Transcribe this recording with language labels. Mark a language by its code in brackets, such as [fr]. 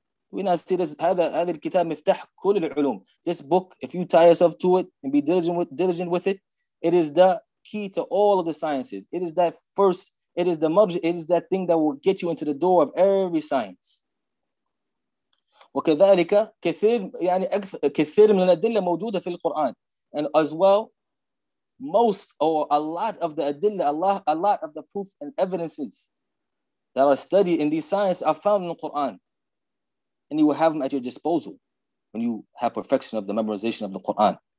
[en] We now see this kitab miftah kul al-ulum. This book, if you tie yourself to it and be diligent with it, it is the key to all of the sciences. It is that thing that will get you into the door of every science. [ar] وكذلك كثير من الأدلة موجودة في القرآن. [en] And as well, a lot of the proof and evidences that are studied in these sciences are found in the Quran. And you will have them at your disposal when you have perfection of the memorization of the Quran.